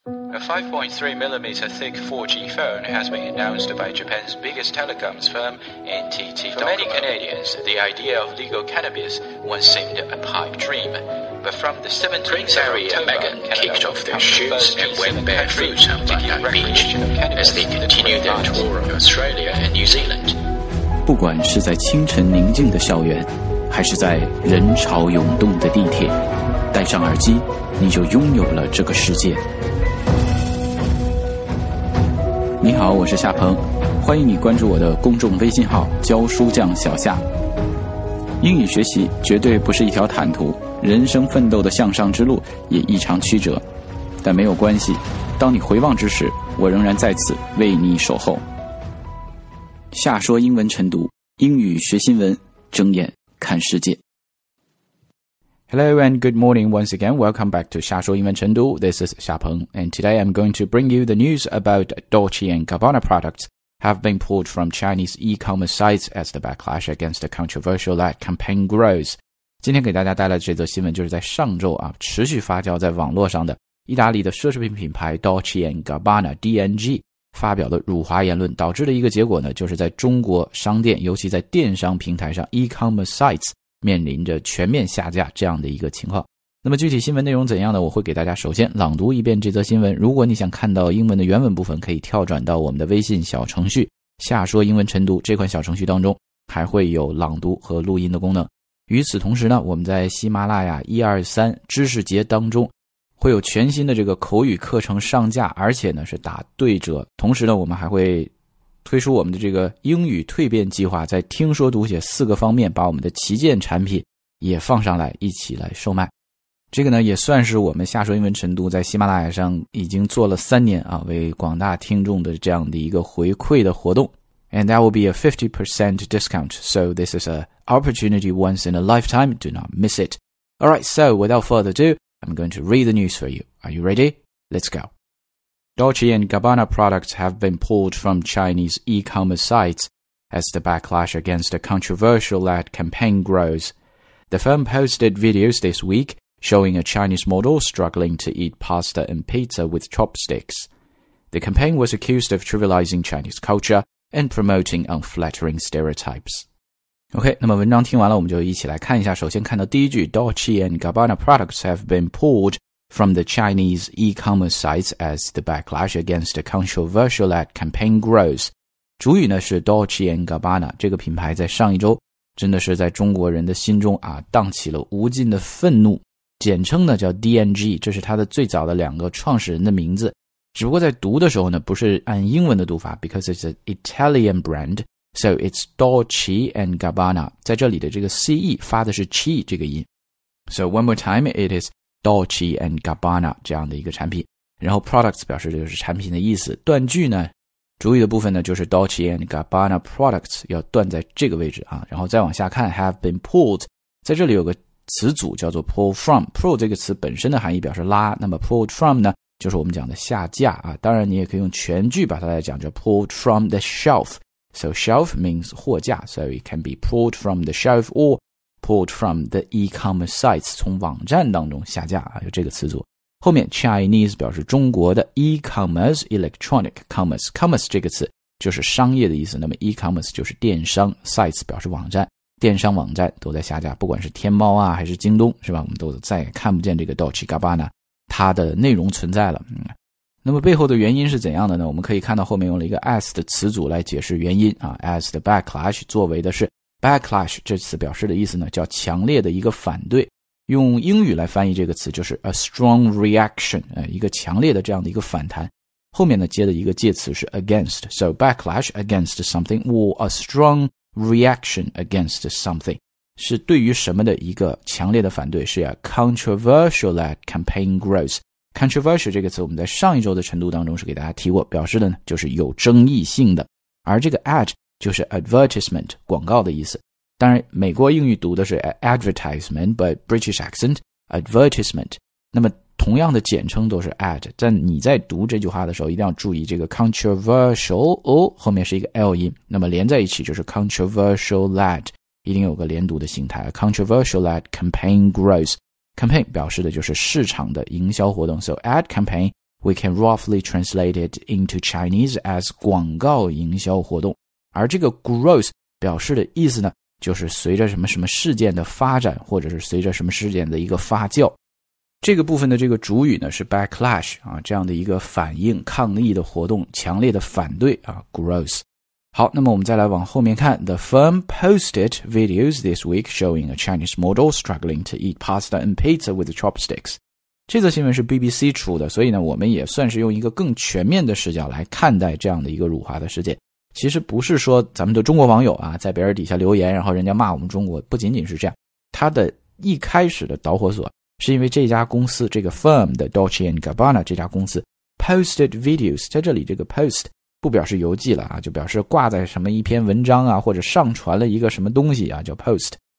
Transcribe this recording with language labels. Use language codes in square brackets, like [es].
[en] A 5.3 millimeter thick 4G phone has been announced by Japan's biggest telecoms firm, NTT Docomo. For many Canadians, the idea of legal cannabis once seemed a pipe dream. But from the 17th of October, Megan kicked off their shoots and went barefoot on Bondi Beach as they continued their tour of Australia and New Zealand. [zh] 不管是在清晨宁静的校园，还是在人潮涌动的地铁，戴上耳机，你就拥有了这个世界。你好，我是夏鹏，欢迎你关注我的公众微信号教书匠小夏。英语学习绝对不是一条坦途，人生奋斗的向上之路也异常曲折，但没有关系，当你回望之时，我仍然在此为你守候。夏说英文晨读，英语学新闻，睁眼看世界。 [en] Hello and good morning once again. Welcome back to 夏说英文晨读. This is 夏鹏, and today I'm going to bring you the news about Dolce and Gabbana products have been pulled from Chinese e-commerce sites as the backlash against the controversial that campaign grows. [zh] 今天给大家带来的这则新闻就是在上周啊持续发酵在网络上的意大利的奢侈品品牌 Dolce and Gabbana DNG 发表的辱华言论，导致的一个结果呢，就是在中国商店，尤其在电商平台上 e-commerce sites。面临着全面下架这样的一个情况。那么具体新闻内容怎样呢？我会给大家首先朗读一遍这则新闻。如果你想看到英文的原文部分，可以跳转到我们的微信小程序“夏说英文晨读”这款小程序当中，还会有朗读和录音的功能。与此同时呢，我们在喜马拉雅123知识节当中会有全新的这个口语课程上架，而且呢是打对折。同时呢，我们还会推出我们的这个英语蜕变计划，在听说读写四个方面把我们的旗舰产品也放上来一起来售卖。这个呢也算是我们夏说英文晨读在喜马拉雅上已经做了3年啊，为广大听众的这样的一个回馈的活动。 [en] And that will be a 50% discount, so this is an opportunity once in a lifetime, do not miss it. Alright, so without further ado, I'm going to read the news for you. Are you ready? Let's go. Dolce and Gabbana products have been pulled from Chinese e-commerce sites as the backlash against a controversial ad campaign grows. The firm posted videos this week showing a Chinese model struggling to eat pasta and pizza with chopsticks. The campaign was accused of trivializing Chinese culture and promoting unflattering stereotypes. [zh] OK, 那么文章听完了，我们就一起来看一下。 [en] 首先看到第一句 Dolce and Gabbana products have been pulledfrom the Chinese e-commerce sites as the backlash against a controversial ad campaign grows. [zh] 主语呢是 Dolce and Gabbana, 这个品牌在上一周真的是在中国人的心中啊荡起了无尽的愤怒。简称呢叫 DNG, 这是它的最早的两个创始人的名字。只不过在读的时候呢不是按英文的读法 because it's an Italian brand, so it's Dolce and Gabbana. 在这里的这个 CE 发的是 CHI 这个音。 So one more time, it isDolce and Gabbana 这样的一个产品，然后 products 表示这就是产品的意思。断句呢，主语的部分呢就是 Dolce and Gabbana products 要断在这个位置啊，然后再往下看 have been pulled, 在这里有个词组叫做 pull from, pull 这个词本身的含义表示拉，那么 pulled from 呢就是我们讲的下架啊。当然你也可以用全句把它来讲，叫 pulled from the shelf, so shelf means 货架， so it can be pulled from the shelf orPulled from the e-commerce sites, 从网站当中下架啊，有这个词组。后面 Chinese 表示中国的 e-commerce, electronic commerce, commerce 这个词就是商业的意思，那么 e-commerce 就是电商， sites 表示网站，电商网站都在下架，不管是天猫啊还是京东是吧，我们都再也看不见这个 Dolce Gabbana 它的内容存在了、那么背后的原因是怎样的呢？我们可以看到后面用了一个 as 的词组来解释原因啊， as the backlash 作为的是Backlash 这词表示的意思呢叫强烈的一个反对，用英语来翻译这个词就是 a strong reaction, 一个强烈的这样的一个反弹，后面呢接的一个介词是 against, so backlash against something or a strong reaction against something 是对于什么的一个强烈的反对，是 a controversial that campaign grows. Controversial 这个词我们在上一周的晨读当中是给大家提过，表示的呢就是有争议性的，而这个 ad就是 advertisement, 广告的意思。当然美国英语读的是 advertisement, but British accent, advertisement。那么同样的简称都是 ad, 但你在读这句话的时候一定要注意这个 controversial, 哦后面是一个 L 音。那么连在一起就是 controversial lad, 一定有个连读的形态。 [en] controversial lad campaign grows。campaign 表示的就是市场的营销活动。 So ad campaign We can roughly translate it into Chinese as 广告营销活动。 [zh] 而这个 growth 表示的意思呢，就是随着什么什么事件的发展，或者是随着什么事件的一个发酵。这个部分的这个主语呢是 backlash 啊，这样的一个反应抗议的活动，强烈的反对啊 growth。 [en] 好，那么我们再来往后面看 The firm posted videos this week showing a Chinese model struggling to eat pasta and pizza with chopsticks. [zh] 这则新闻是 BBC 出的，所以呢，我们也算是用一个更全面的视角来看待这样的一个辱华的事件。其实不是说咱们的中国网友啊，在别人底下留言，然后人家骂我们中国，不仅仅是这样。它的一开始的导火索是因为这家公司，这个 firm 的 Dolce & Gabbana 这家公司 posted videos，在这里这个 post不表示邮寄了啊，就表示挂在什么一篇文章啊，或者上传了一个什么东西啊，叫 post。